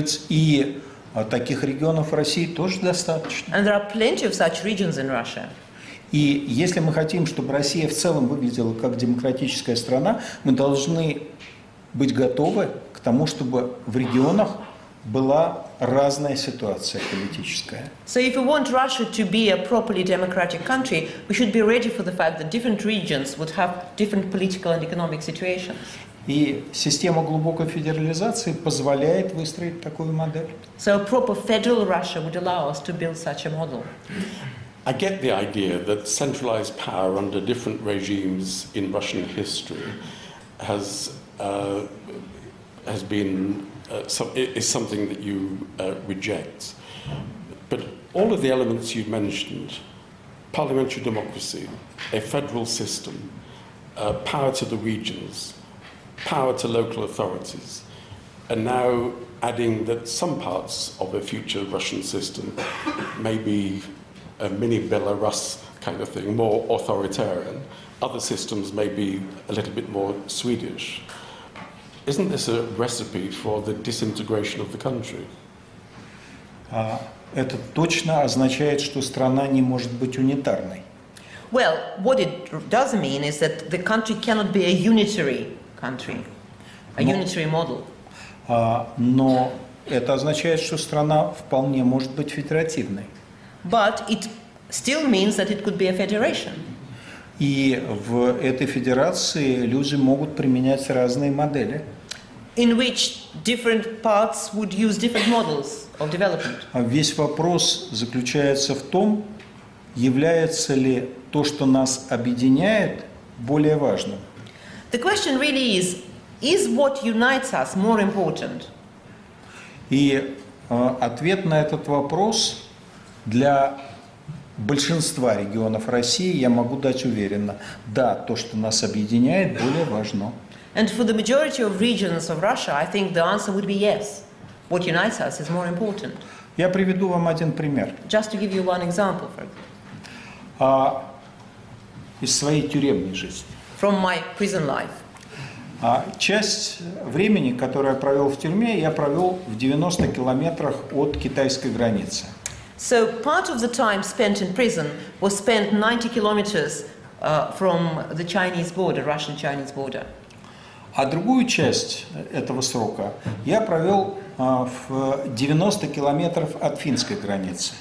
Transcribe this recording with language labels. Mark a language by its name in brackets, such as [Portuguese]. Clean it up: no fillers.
[Russian] И таких регионов России тоже достаточно. [English] And there are plenty of such regions in Russia. [Russian] И если мы хотим, чтобы Россия в целом выглядела как демократическая страна, мы должны быть готовы к тому, чтобы в регионах была разная ситуация политическая. [English] So if we want Russia to be a properly democratic country, we should be ready for the fact that different regions would have different political and economic situations. [Russian] И система глубокой федерализации позволяет выстроить такую модель. [English] So a proper federal Russia would allow us to build such a model. I get the idea that centralized power under different regimes in Russian history is something that you reject. But all of the elements you've mentioned, parliamentary democracy, a federal system, power to the regions, power to local authorities, and now adding that some parts of a future Russian system may be a mini Belarus kind of thing, more authoritarian, other systems may be a little bit more Swedish. Isn't this a recipe for the disintegration of the country? [Russian] Это точно означает, что страна не может быть унитарной. [English] Well, what it does mean is that the country cannot be a unitary country, unitary model. [Russian] Но это означает, что страна вполне может быть федеративной. [English] But it still means that it could be a federation. [Russian] И в этой федерации люди могут применять разные модели. [English] In which different parts would use different models of development. [Russian] Весь вопрос заключается в том, является ли то, что нас объединяет, более важным. [English] The question really is what unites us more important? [Russian] И ответ на этот вопрос для большинства регионов России я могу дать уверенно. Да, то, что нас объединяет, более важно. [English] And for the majority of regions of Russia, I think the answer would be yes. What unites us is more important. [Russian] Я приведу вам один пример. [English] Just to give you one example, for example. [Russian] Из своей тюремной жизни. [English] From my prison life. [Russian] Часть времени, которую я провел в тюрьме, я провел в 90 километрах от китайской границы. [English] So part of the time spent in prison was spent 90 kilometers from the Chinese border, Russian-Chinese border. [Russian] А другую часть этого срока я провел в 90 километров от финской границы.